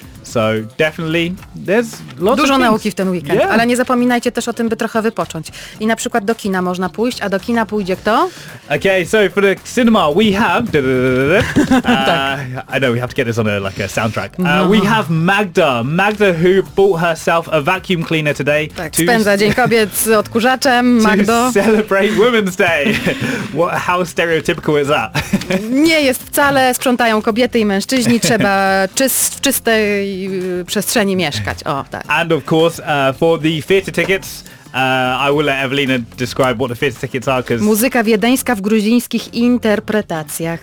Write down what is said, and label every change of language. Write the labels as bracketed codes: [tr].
[en] So definitely, there's lots [pl] dużo [en] of [pl] nauki w ten weekend, [en] yeah. [pl] Ale nie zapominajcie też o tym, by trochę wypocząć. I na przykład do kina można pójść, a do kina pójdzie kto? [en] Okay, so for the cinema we have... [pl] tak. [en] I know, we have to get this on a soundtrack. We have Magda. Magda, who bought herself a vacuum cleaner today. [pl] Tak, spędza Dzień Kobiet z odkurzaczem, Magdo. [en] To celebrate Women's Day. How stereotypical is that? [pl] Nie jest wcale, sprzątają kobiety i mężczyźni, trzeba czyste przestrzeni mieszkać. O, tak. [en] And of course, for the theater tickets, I will let Evelina describe what the theater tickets are. Cause [pl] muzyka wiedeńska w gruzińskich interpretacjach.